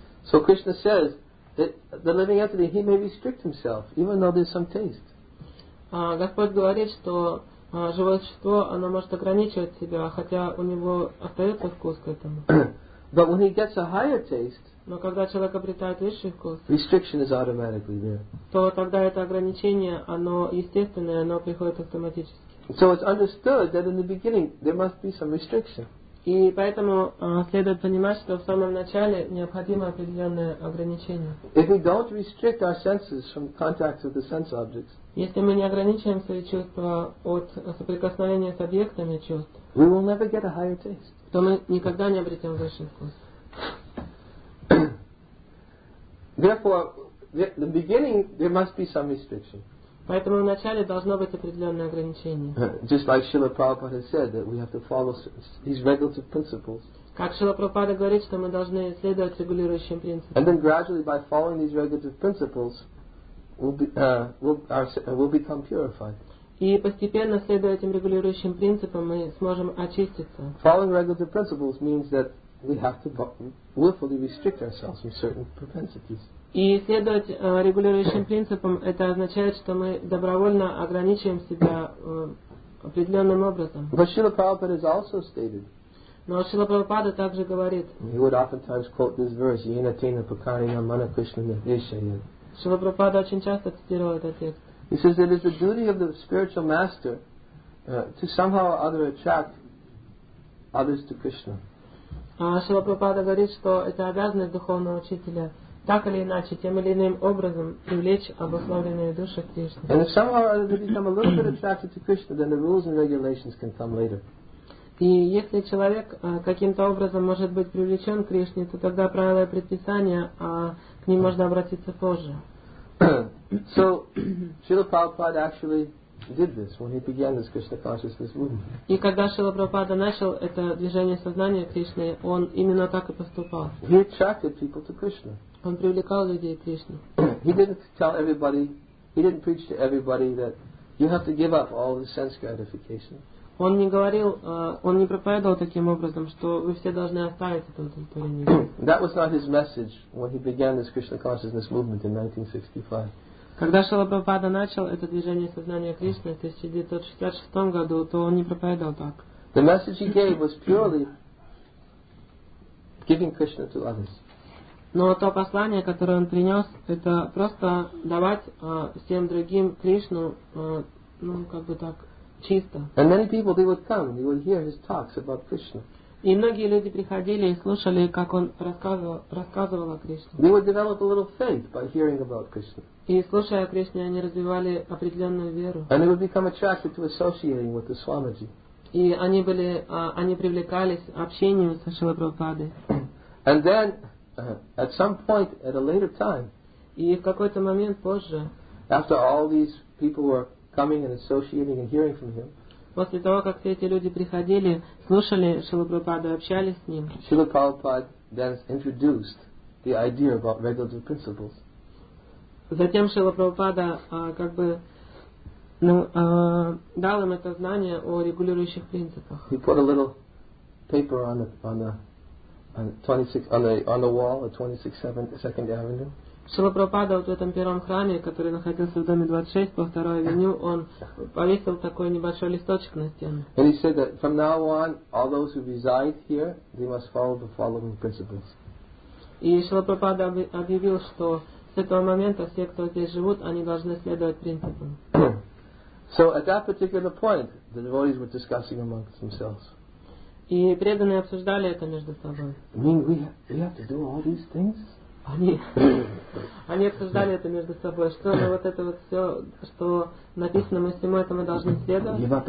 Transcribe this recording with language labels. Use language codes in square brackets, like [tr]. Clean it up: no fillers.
[en] So Krishna says that the living entity, he may restrict himself, even though there's some taste. [ru] Господь говорит, что живое существо, оно может ограничивать себя, хотя у него остается вкус к этому. [en] But when he gets a higher taste, [ru] но когда человек обретает высший вкус, [en] restriction is automatically there. [ru] То тогда это ограничение, оно естественное, оно приходит автоматически. [en] So it's understood that in the beginning there must be some restriction. [ru] И поэтому следует понимать, что в самом начале необходимо определенное ограничение. [en] If we don't restrict our senses from contact with the sense objects, [ru] если мы не ограничиваем свои чувства от соприкосновения с объектами чувств, [en] we will never get a higher taste. [ru] То мы никогда не обретем высший вкус. [en] Therefore, in the beginning there must be some restriction. [ru] Поэтому вначале должно быть определенное ограничение. [en] Just like Srila Prabhupada said that we have to follow these regulative principles. [ru] Как Шрила Прабхупада говорит, что мы должны следовать регулирующим принципам. [en] And then gradually by following these regulative principles, we'll become purified. [ru] И постепенно следуя этим регулирующим принципам, мы сможем очиститься. [en] Following regulative principles means that we have to willfully restrict ourselves from certain propensities. [ru] И следовать регулирующим принципам, это означает, что мы добровольно ограничиваем себя определенным образом. [en] But Srila Prabhupada has also stated, [ru] но Шрила Прабхупада также говорит, [en] he would oftentimes quote this verse, [sa] Yena Tena Pukarina Mana Krishna Nirdeshaya. [ru] Шрила Прабхупада очень часто цитировал этот текст. [en] He says that it is the duty of the spiritual master to somehow or other attract others to Krishna. [ru] Шрила Прабхупада говорит, что это обязанность духовного учителя так или иначе, тем или иным образом привлечь обусловленные души к Кришне. [en] And if somehow they become a little bit attracted to Krishna, then the rules and regulations can come later. [ru] И если человек каким-то образом может быть привлечен к Кришне, то тогда правила и предписания, к ним можно обратиться позже. [en] So, Srila Prabhupada actually did this when he began this Krishna consciousness movement. [ru] И когда Шрила Прабхупада начал это движение сознания Кришны, он именно так и поступал. [en] He attracted people to Krishna. [ru] Он привлекал людей к Кришне. [en] He didn't tell everybody, he didn't preach to everybody that you have to give up all the sense gratification. [ru] Он не говорил, он не проповедовал таким образом, что вы все должны оставить это удовлетворение. [en] That was not his message when he began this Krishna consciousness movement in 1965. [ru] Когда Шрила Прабхупада начал это движение сознания Кришны в 1966 году, то он не проповедовал так. [en] The message he gave was purely giving Krishna to others. [ru] Но то послание, которое он принес, это просто давать всем другим Кришну, ну, как бы так, чисто. [en] And many people, they would come, they would hear his talks about Krishna. [ru] И многие люди приходили и слушали, как он рассказывал о Кришне. [en] They would develop a little faith by hearing about Krishna. [ru] И слушая о Кришне, они развивали определенную веру. [en] And they would become attracted to associating with the Swamiji. [ru] И они были, они привлекались общением со Шрилой Прабхупадой. [en] And then, at some point, at a later time, [ru] и в какой-то момент позже, [en] after all these people were coming and associating and hearing from him, [ru] после того, как все эти люди приходили, слушали Шрилу Прабхупаду, общались с ним, [en] Srila Prabhupada then introduced the idea about regulative principles. [ru] Затем Шрила Прабхупада как бы дал им это знание о регулирующих принципах. [en] He put a little paper on the 26 on the wall at 26 7th, 2nd Avenue. [ru] Шрила Прабхупада вот в этом первом храме, который находился в доме 26 по второй авеню, он повесил такой небольшой листочек на стену. [en] And he said that from now on, all those who reside here, they must follow the following principles. [ru] И Шрила Прабхупада объявил, что с этого момента все, кто здесь живут, они должны следовать принципам. [en] So at that particular point, the devotees were discussing amongst themselves. [ru] И преданные обсуждали это между собой. [en] I mean, we have to do all these things? [ru] Они обсуждали это между собой. Что же вот это вот все, что написано, мы всему этому должны следовать?